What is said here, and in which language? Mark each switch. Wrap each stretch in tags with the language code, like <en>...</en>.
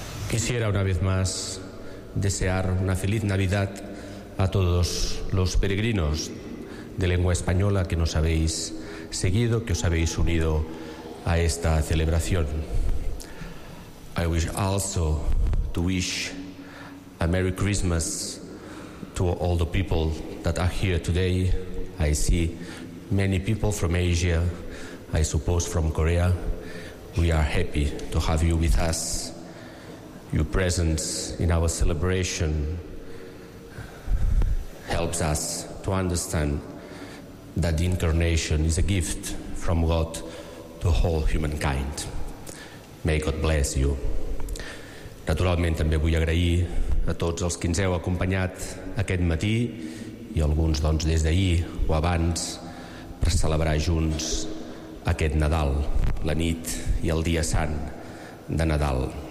<es>Quisiera una vez más desear una feliz Navidad a todos los peregrinos de lengua española que nos habéis seguido, que os habéis unido a esta celebración.</es> <en>I wish also to wish a Merry Christmas to all the people that are here today. I see many people from Asia, I suppose from Korea. We are happy to have you with us. Your presence in our celebration helps us to understand that the incarnation is a gift from God to all humankind. May God bless you.</en> <ca>Naturalment, també vull agrair a tots els que ens heu acompanyat aquest matí i alguns doncs des d'ahir o abans per celebrar junts aquest Nadal, la nit i el dia sant de Nadal.</ca>